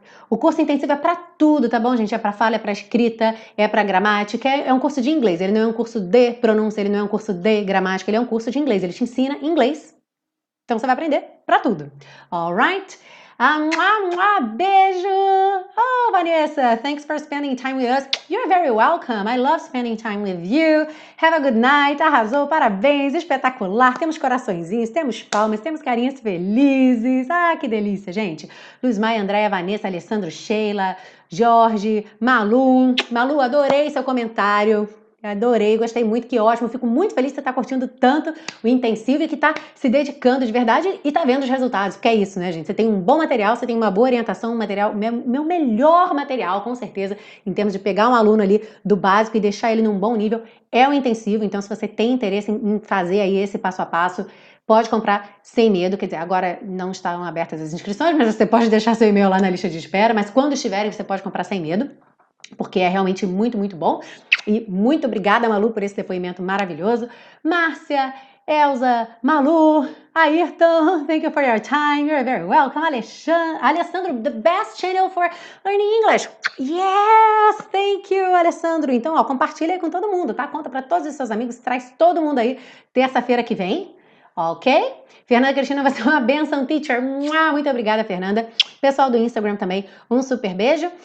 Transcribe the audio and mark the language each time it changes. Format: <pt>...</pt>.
<pt>O curso intensivo é para tudo, tá bom, gente? É para fala, é para escrita, é para gramática. É um curso de inglês. Ele não é um curso de pronúncia, ele não é um curso de gramática. Ele é um curso de inglês. Ele te ensina inglês. Então você vai aprender para tudo.</pt> <en>All right?</en> <pt>Beijo!</pt> <en>Oh, Vanessa, thanks for spending time with us. You're very welcome. I love spending time with you. Have a good night.</en> <pt>Arrasou, parabéns, espetacular. Temos coraçõezinhos, temos palmas, temos carinhas felizes. Ah, que delícia, gente. Luz Maia, Andréia, Vanessa, Alessandro, Sheila, Jorge, Malu. Malu, adorei seu comentário. Adorei, gostei muito, que ótimo. Fico muito feliz que você está curtindo tanto o intensivo e que está se dedicando de verdade e está vendo os resultados, porque é isso, né, gente? Você tem um bom material, você tem uma boa orientação, um material, meu melhor material, com certeza, em termos de pegar um aluno ali do básico e deixar ele num bom nível, é o intensivo. Então, se você tem interesse em fazer aí esse passo a passo, pode comprar sem medo. Quer dizer, agora não estão abertas as inscrições, mas você pode deixar seu e-mail lá na lista de espera. Mas quando estiverem, você pode comprar sem medo, porque é realmente muito, muito bom. E muito obrigada, Malu, por esse depoimento maravilhoso.</pt> <en>Márcia, Elza, Malu, Ayrton, thank you for your time. You're very welcome. Alessandro, the best channel for learning English. Yes, thank you, Alessandro.</en> <pt>Então, ó, compartilha aí com todo mundo, tá? Conta para todos os seus amigos, traz todo mundo aí terça-feira que vem, ok? Fernanda Cristina, você é uma bênção, teacher. Muito obrigada, Fernanda. Pessoal do Instagram também, um super beijo.</pt>